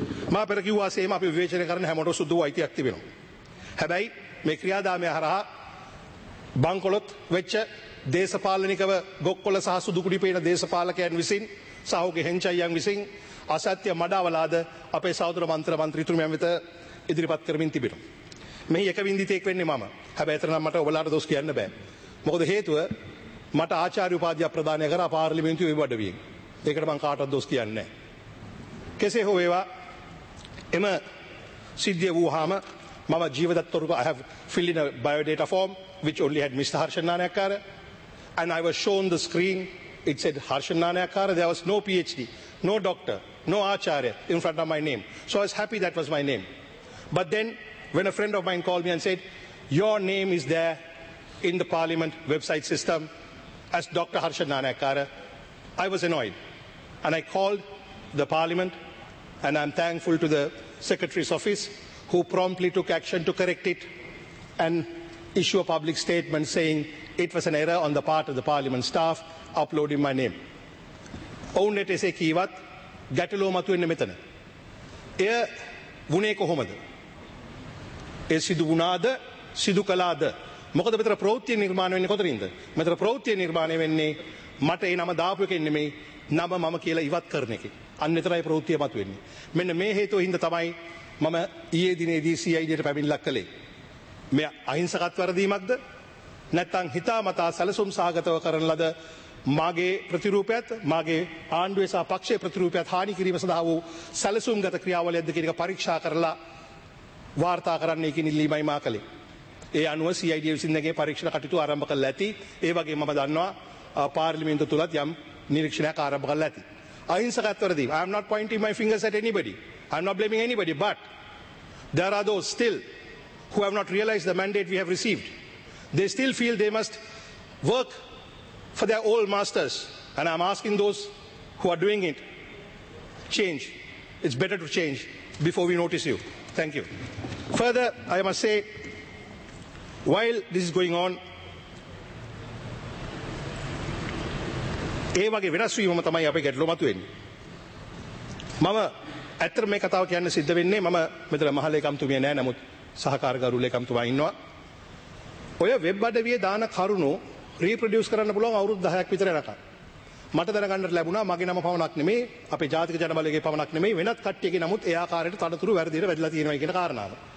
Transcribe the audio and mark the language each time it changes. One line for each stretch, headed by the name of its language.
Sinhala: මා පෙර කිව්වා සේම අපි විවේචනය කරන හැමෝටම සුදුසු අයිතියක් තිබෙනවා. හැබැයි මේ ක්‍රියාදාමය හරහා බංකොලොත් වෙච්ච දේශපාලනිකව ගොක්කොල සහ සුදුකුඩි පේන දේශපාලකයන් විසින්, සහෝගේ හෙන්චයියන් විසින් අසත්‍ය මඩාවලාද අපේ සහෝදර මන්ත්‍ර මන්ත්‍රීතුමියන් වෙත ඉදිරිපත් කරමින් තිබෙනවා. මෙහි එක විඳිතෙක් වෙන්නේ මම. හැබැයි එතරම් මට ඔබලාට දොස් කියන්න බෑ. මොකද හේතුව මට ආචාර්ය උපාධිය ප්‍රදානය කරා පාර්ලිමේන්තුවේ වඩවියෙන්. ඒකට මම කාටවත් දොස් කියන්නේ නෑ. කෙසේ හෝ වේවා එම සිද්ධිය වූහාම මම ජීවදත්තරුක
English: I have filled in a biodata form which only had Mr. Harshan Nanayakkara and I was shown the screen. It said Harshan Nanayakkara. There was no PhD, no doctor, no acharya in front of my name. So I was happy that was my name. But then when a friend of mine called me and said, your name is there in the parliament website system as Dr. Harshan Nanayakkara, I was annoyed. And I called the parliament and I'm thankful to the secretary's office who promptly took action to correct it and issue a public statement saying it was an error on the part of the parliament staff uploading my name.
Sinhala: ඔවුන්ට එසේ කීවත් ගැටලුව මතුවෙන්නේ මෙතන. එය වුණේ කොහොමද? ඒ සිදු වුණාද, සිදු කළාද? මොකද මෙතන ප්‍රවෘත්ති නිර්මාණය වෙන්නේ කොතනින්ද? මෙතන ප්‍රවෘත්ති නිර්මාණය වෙන්නේ මට ඒ නම දාපු එකෙන් නෙමෙයි, නම මම කියලා ඉවත් කරන එකෙන්. අන්න එතනයි ප්‍රවෘත්ති මතුවෙන්නේ. මෙන්න මේ හේතුවින්ද තමයි මම ඊයේ දිනේදී CID පැමිණිලක් කළේ. මේ අහිංසකත්ව වැරදීමක්ද, නැත්නම් හිතාමතා සැලසුම් සහගතව කරන ලද මාගේ ප්‍රතිරූපයත්, මාගේ ආණ්ඩුවේ සහ පක්ෂයේ ප්‍රතිරූපයත් හානි කිරීම සඳහා වූ සැලසුම්ගත ක්‍රියාවලියක්ද කියන එක පරීක්ෂා කරලා වාර්තා කරන්නේ කියන ඉල්ලීමයි මා කළේ. ඒ අනුව CID විසින් නැගේ පරීක්ෂණ කටයුතු ආරම්භ කළ ඇති. ඒ වගේම මම දන්නවා පාර්ලිමේන්තුව තුලත් යම් නිරීක්ෂණයක් ආරම්භ කළ ඇති. අහිංසකත්ව වැරදීම.
English: I am not pointing my fingers at anybody. I am not blaming anybody, but there are those still who have not realized the mandate we have received. They still feel they must work for their old masters, and I'm asking those who are doing it, change. It's better to change before we notice you. Thank you. Further, I must say, while this is going on,
Sinhala: ඒ වගේ වෙනස් වීම තමයි අපේ ගැටලුව මතුවෙන්නේ. මම ඇත්තට මේ කතාව කියන්න සිද්ධ වෙන්නේ, මම මෙතන මහලේකම්තුමිය නෑ, නමුත් සහකාරගරු ලේකම්තුමා ඉන්නවා. ඔය වෙබ් අඩවියේ දාන කරුණු රීප්‍රොඩියුස් කරන්න පුළුවන් අවුරුදු 10ක් විතර යනකම්. මට දැනගන්න ලැබුණා මගේ නම පවණක් නෙමෙයි, අපේ ජාතික ජන බලයේ පවණක් නෙමෙයි, වෙනත් කට්ටියගේ, නමුත් ඒ ආකාරයට තනතුරු වැරදිලා වැඩිලා තියෙනවා කියන කාරණාව.